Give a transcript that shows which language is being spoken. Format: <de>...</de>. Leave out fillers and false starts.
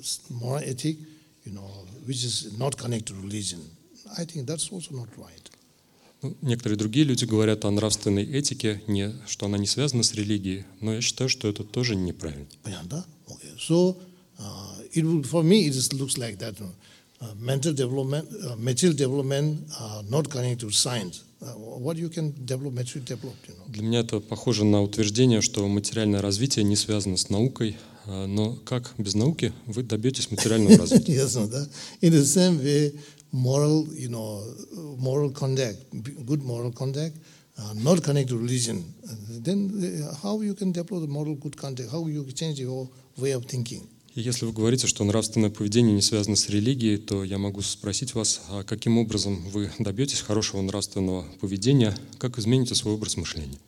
<en>You know, which is not connected to religion. I think that's also not right.</en> <ru>Некоторые другие люди говорят о нравственной этике, что она не связана с религией, но я считаю, что это тоже неправильно. Понятно, да?</ru> <en>Okay. So, it will, for me, it just looks like that. mental development, material development are not connected to science. What you can develop, material development, you know?</en> <ru>Для меня это похоже на утверждение, что материальное развитие не связано с наукой. Но как без науки вы добьетесь материального развития?</ru> <en>Yes, no, that. In the same way, moral, you know, moral conduct, good moral conduct, not connected to religion. Then how you can develop the moral good conduct? How you change your way of thinking?</en> <ru>Если вы говорите, что нравственное поведение не связано с религией, то я могу спросить вас, а каким образом вы добьетесь хорошего нравственного поведения, как измените свой образ мышления?</ru>